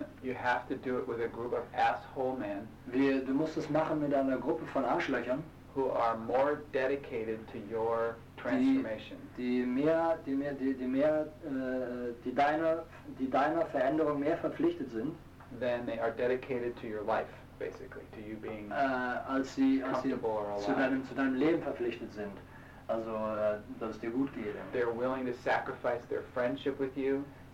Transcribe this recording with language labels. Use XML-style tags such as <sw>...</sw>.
<en>You have to do it with a group of asshole men.</en> <de>Du musst es machen mit einer Gruppe von Arschlöchern,</de> <en>who are more dedicated to your transformation.</en> <de>Die deiner Veränderung mehr verpflichtet sind,</de> <en>than they are dedicated to your life. Basically, to you being</en> <de>zu deinem Leben verpflichtet sind, also dass es dir gut geht.</de> <en>They're willing to sacrifice their friendship with you.</en>